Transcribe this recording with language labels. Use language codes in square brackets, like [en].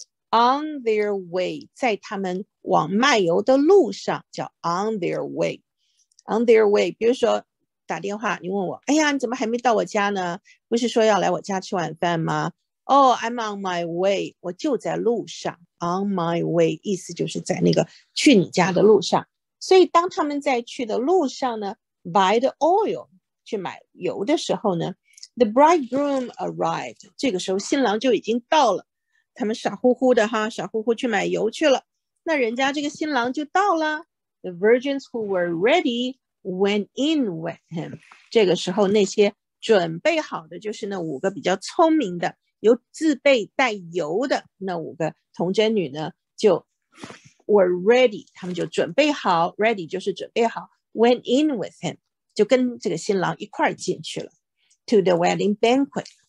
[en] On their way [zh] 在他们往卖油的路上叫 [en] on their way On their way [zh] 比如说打电话你问我哎呀你怎么还没到我家呢不是说要来我家吃晚饭吗 [en] Oh I'm on my way [zh] 我就在路上 [en] On my way, [zh] 意思就是在那个去你家的路上。所以当他们在去的路上呢 , [en] buy the oil, [zh] 去买油的时候呢 , [en] the bridegroom arrived, [zh] 这个时候新郎就已经到了。他们傻乎乎的哈傻乎乎去买油去了。那人家这个新郎就到了。 [en] The virgins who were ready went in with him. [zh] 这个时候那些准备好的就是那五个比较聪明的。有自备带油的那五个童贞女呢就 [en] were ready [zh] 他们就准备好 ready 就是准备好 [en] went in with him [zh] 就跟这个新郎一块进去了 [en] to the wedding banquet